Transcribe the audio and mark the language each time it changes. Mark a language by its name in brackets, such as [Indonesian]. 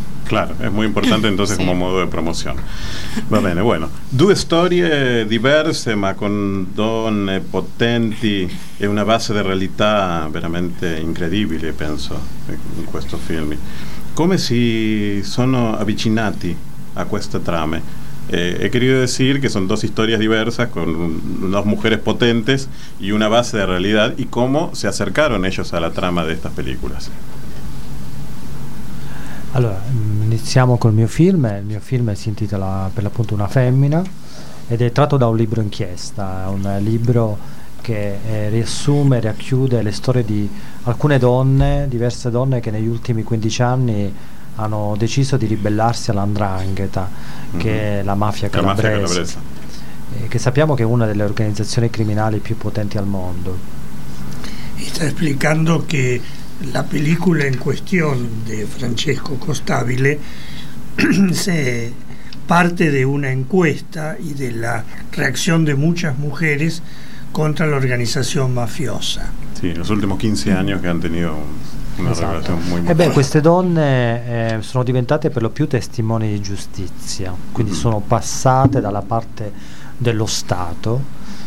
[Spanish] Claro, es muy importante entonces sí. Como modo de promoción. [Italian] Va bene, bueno. Due storie diverse, ma con donne potenti e una base di realtà veramente incredibile, penso, in questo film. Come si sono avvicinati a questa trama? [Spanish] He querido decir que son dos historias diversas con dos mujeres potentes y una base de realidad, y cómo se acercaron ellos a la trama de estas películas. [Italian] Allora, iniziamo col mio film. Il mio film si intitola per l'appunto Una femmina ed è tratto da un libro inchiesta, un libro che riassume, racchiude le storie di alcune donne, diverse donne che negli ultimi 15 anni hanno deciso di ribellarsi alla 'ndrangheta, che è la mafia calabrese, che sappiamo che è una delle organizzazioni criminali più potenti al mondo. E sta spiegando che [Spanish] la película en cuestión de Francesco Costabile se parte de una encuesta y de la reacción de muchas mujeres contra la organización mafiosa. Sí, los últimos 15 años que han tenido una [Italian] esatto. [Spanish] Relación muy importante. [Italian] Ebbene, queste donne sono diventate per lo più testimoni di giustizia, quindi sono passate dalla parte dello Stato.